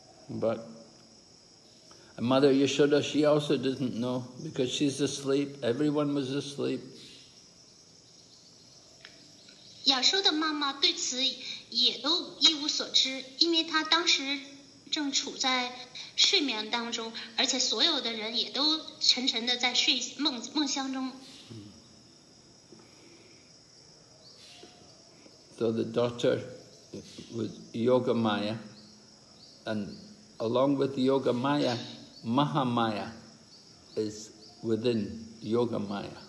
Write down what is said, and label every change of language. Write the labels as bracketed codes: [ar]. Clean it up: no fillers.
[en] But Mother Yashoda, she also didn't know because she's asleep. Everyone was asleep. [zh] 亚修的妈妈对此也都一无所知，因为她当时正处在睡眠当中，而且所有的人也都沉沉的在睡梦乡中。 [en] So the daughter was Yoga Maya, and along with Yoga Maya, Mahamaya is within Yoga Maya.